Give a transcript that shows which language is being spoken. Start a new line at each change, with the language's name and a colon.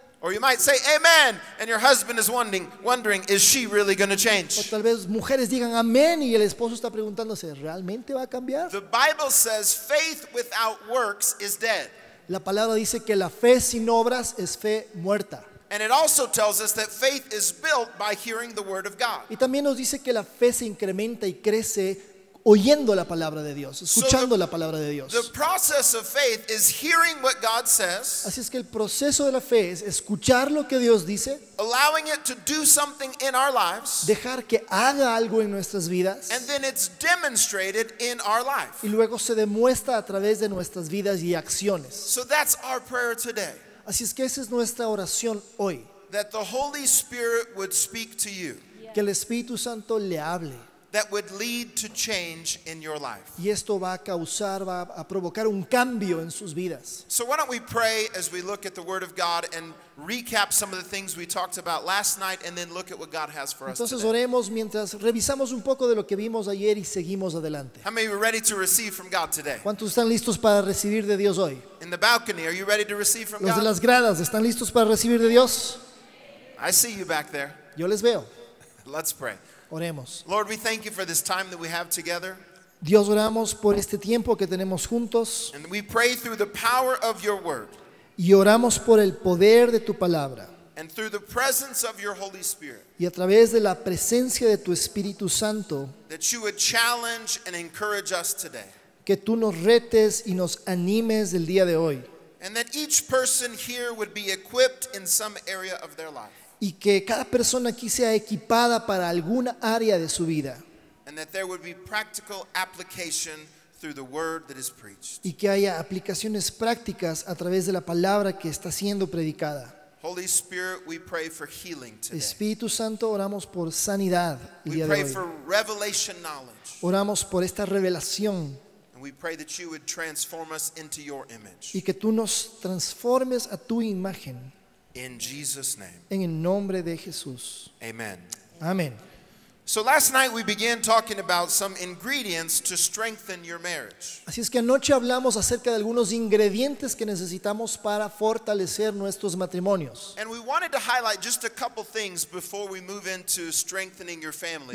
English: Or you might say, amen, and your husband is wondering, is she really going to change?
Spanish: O tal vez mujeres digan amén y el esposo está preguntándose, ¿realmente va a cambiar?
English: The Bible says faith without works is dead.
Spanish: La palabra dice que la fe sin obras es fe muerta.
English: And it also tells us that faith is built by hearing the word of God.
Spanish: Y también nos dice que la fe se incrementa y crece oyendo la palabra de Dios, escuchando la palabra de Dios.
English: The process of faith is hearing what God says.
Spanish: Así es que el proceso de la fe es escuchar lo que Dios dice.
English: Allowing it to do something in our lives.
Spanish: Dejar que haga algo en nuestras vidas.
English: And then it's demonstrated in our life.
Spanish: Y luego se demuestra a través de nuestras vidas y acciones.
English: So that's our prayer today.
Spanish: Así es que esa es nuestra oración hoy.
English: That the Holy Spirit would speak to you.
Spanish: Que el Espíritu Santo le hable.
English: That would lead to change in your life.
Spanish: Y esto va a causar, va a provocar un cambio en sus vidas.
English: So why don't we pray as we look at the Word of God and recap some of the things we talked about last night, and then look at what God has for us.
Spanish: Entonces oremos mientras revisamos un poco de lo que vimos ayer y seguimos adelante.
English: How many are ready to receive from God today?
Spanish: ¿Cuántos están listos para recibir de Dios hoy?
English: In the balcony, are you ready to receive from God?
Spanish: Los de las gradas, ¿están listos para recibir de Dios?
English: I see you back there.
Spanish: Yo les veo.
English: Let's pray.
Spanish: Oremos.
English: Lord, we thank you for this time that we have together.
Spanish: Dios, oramos por este tiempo que tenemos juntos.
English: And we pray through the power of your word.
Spanish: Y oramos por el poder de tu palabra.
English: And through the presence of your Holy Spirit.
Spanish: Y a través de la presencia de tu Espíritu Santo.
English: That you would challenge and encourage us today.
Spanish: Que tú nos retes y nos animes el día de hoy.
English: And that each person here would be equipped in some area of their life.
Spanish: Y que cada persona aquí sea equipada para alguna área de su vida.
English: And that there would be practical application through the word that is preached.
Spanish: Y que haya aplicaciones prácticas a través de la palabra que está siendo predicada.
English: Holy Spirit, we pray for healing today.
Spanish: Espíritu Santo, oramos por sanidad el día de hoy.
English: We pray for revelation knowledge.
Spanish: Oramos por esta revelación.
English: And we pray that you would transform us into your image.
Spanish: Y que tú nos transformes a tu imagen.
English: In Jesus' name.
Spanish: En el nombre de Jesús.
English: Amen.
Spanish: Amen.
English: So last night we began talking about some ingredients to strengthen your marriage.
Spanish: Así es que anoche hablamos acerca de algunos ingredientes que necesitamos para fortalecer nuestros matrimonios.
English: And we wanted to highlight just a couple things before we move into strengthening your family.